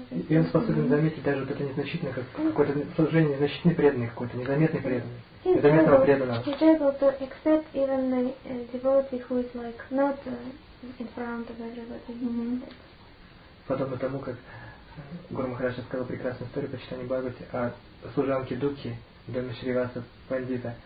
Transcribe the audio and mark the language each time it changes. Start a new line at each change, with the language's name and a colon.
Russian: И он способен заметить даже вот это незначительное, как какое-то служение, незначительный преданный какой-то, незаметный преданный.
English: He's able to accept even the devotee who is like not in front of everybody.
Russian: Подобно тому, как Гуру Махарадж рассказал прекрасную историю по читанию Бхагавати о служанке Дуки, доме Шриваса Пандита.